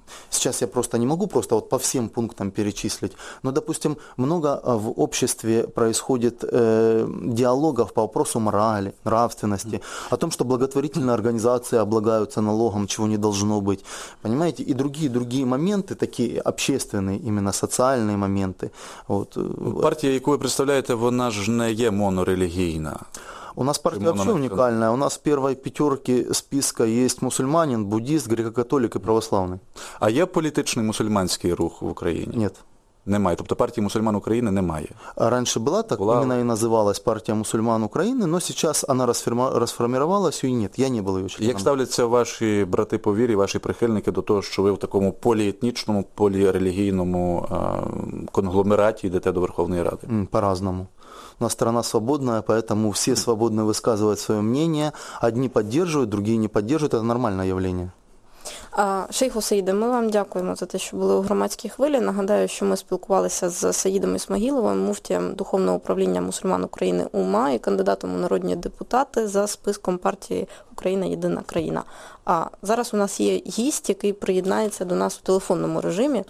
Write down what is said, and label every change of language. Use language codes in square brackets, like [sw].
[ru] сейчас я просто не могу просто вот по всем пунктам перечислить, но, допустим, много в обществе происходит диалогов по вопросу морали, нравственности, о том, что благотворительные организации облагаются налогом, чего не должно быть, понимаете, и другие моменты, такие общественные, именно социальные моменты. Вот. Партия, которую вы представляете, она же не [uk] є монорелігійна. [ru] У нас партия вообще уникальная. У нас в первой пятерке списка есть мусульманин, буддист, греко-католик и православный. [uk] А є політичний мусульманський рух в Україні? [ru] Нет. [uk] Немає. Тобто партії мусульман України немає. [ru] Раньше была так, [uk] була... [ru] именно и называлась партия мусульман України, но сейчас она [uk] розформувалась, і [ru] нет, я не был ее членом. [uk] Як ставляться ваші брати по вірі, ваші прихильники до того, що ви в такому поліетнічному, полірелігійному конгломераті йдете до Верховної Ради? [ru] По-разному. У нас страна свободная, поэтому все свободны высказывать свое мнение. Одни поддерживают, другие не поддерживают. Это нормальное явление. [uk] Шейх Саїде, ми вам дякуємо за те, що були у громадській хвилі. Нагадаю, що ми спілкувалися з Саїдом Ісмагіловим, муфтієм Духовного управління мусульман України УМА і кандидатом у народні депутати за списком партії «Україна – єдина країна». А зараз у нас є гість, який приєднається до нас у телефонному режимі.